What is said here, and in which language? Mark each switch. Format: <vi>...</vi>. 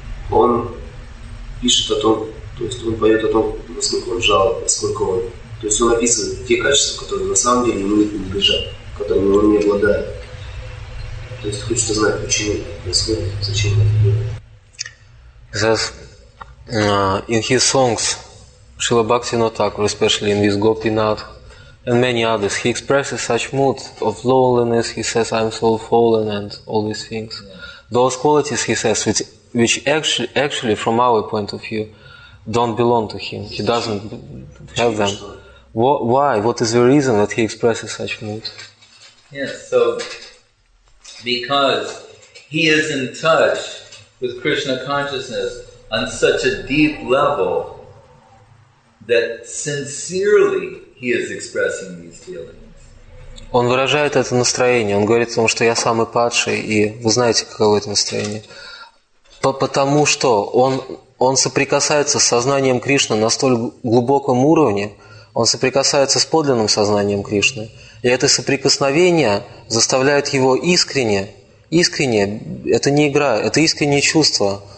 <ru>Он пишет о том, то есть он поет о том, насколько он жалоб, насколько он... То есть он описывает те качества, которые на самом деле ему не принадлежат, которыми он не обладает. То есть хочется знать, почему это происходит, зачем это делает.</ru> <en>He says, in his songs, Srila Bhaktivinoda Thakur, especially in this Gopinath, and many others, he expresses such mood of loneliness, he says, I'm so fallen, and all these things. Those qualities, he says, which actually, from our point of view, don't belong to him. He doesn't have them. Why? What is the reason that he expresses such mood? Yes, so, because he is in touch with Krishna consciousness on such a deep level that sincerely he is expressing these feelings.</en> <ru>Он выражает это настроение. Он говорит о том, что я самый падший, и вы знаете, каково это настроение. Потому что он соприкасается с сознанием Кришны на столь глубоком уровне, он соприкасается с подлинным сознанием Кришны, и это соприкосновение заставляет его искренне, это не игра, это искреннее чувство.</ru>